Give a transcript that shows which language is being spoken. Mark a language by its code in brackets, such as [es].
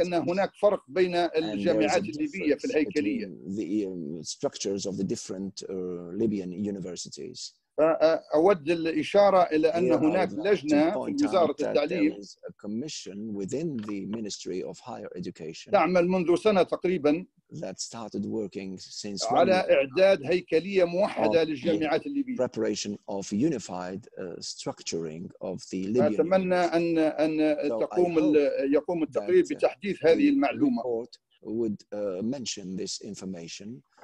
[ar] أن هناك فرق بين الجامعات الليبية في الهيكلية [en] the structures of the different Libyan universities [ar] أود الإشارة إلى أن هناك لجنة في وزارة التعليم [en] a commission within the Ministry of Higher Education [ar] تعمل منذ سنة تقريبا [en] that started working since [ar] على إعداد هيكلية موحدة للجامعات الليبية [en] preparation of unified structuring of the [ar] Libyan أتمنى أن يقوم التقرير بتحديث هذه المعلومة [en] would mention this information